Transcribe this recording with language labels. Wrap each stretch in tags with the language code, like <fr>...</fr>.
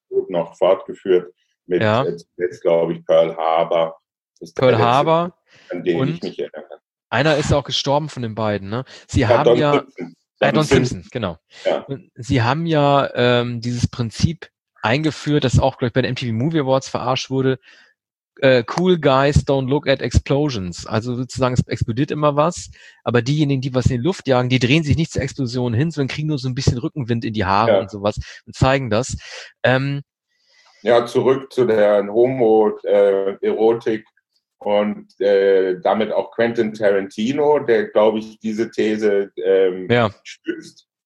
<de>Noch fortgeführt mit, ja. Jetzt glaube ich, Pearl Harbor. Ist Pearl Harbor. An den und ich mich erinnere. Einer ist auch gestorben von den beiden. Ne? Sie haben ja... Don Simpson, genau. Ja. Sie haben ja dieses Prinzip eingeführt, das auch, glaube ich, bei den MTV Movie Awards verarscht wurde.</de> <en>Cool guys don't look at explosions.</en> <de>Also sozusagen, es explodiert immer was, aber diejenigen, die was in die Luft jagen, die drehen sich nicht zur Explosion hin, sondern kriegen nur so ein bisschen Rückenwind in die Haare, ja. Und sowas und zeigen das. Ja, zurück zu der Homo-Erotik und damit auch Quentin Tarantino, der, glaube ich, diese These stützt.</de>